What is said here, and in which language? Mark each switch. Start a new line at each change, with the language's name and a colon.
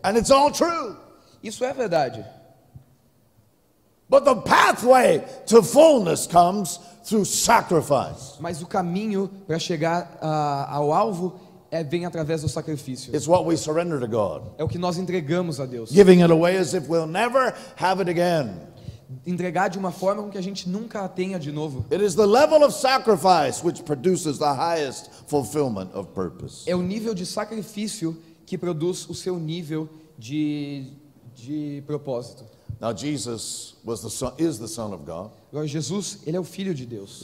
English: And it's all true.
Portuguese: Isso é verdade.
English: But the pathway to fullness comes through sacrifice.
Portuguese: Mas o caminho para chegar ao alvo vem através do sacrifício.
English: It's what we surrender to God.
Portuguese: É o que nós entregamos a Deus.
English: Giving it away as if we'll never have it again.
Portuguese: Entregar de uma forma com que a gente nunca a tenha de novo.
English: It is the level of sacrifice which produces the highest fulfillment of purpose.
Portuguese: É o nível de sacrifício que produz o seu nível de propósito.
English: Now Jesus is the Son of God.
Portuguese: Agora Jesus, ele é o filho de Deus.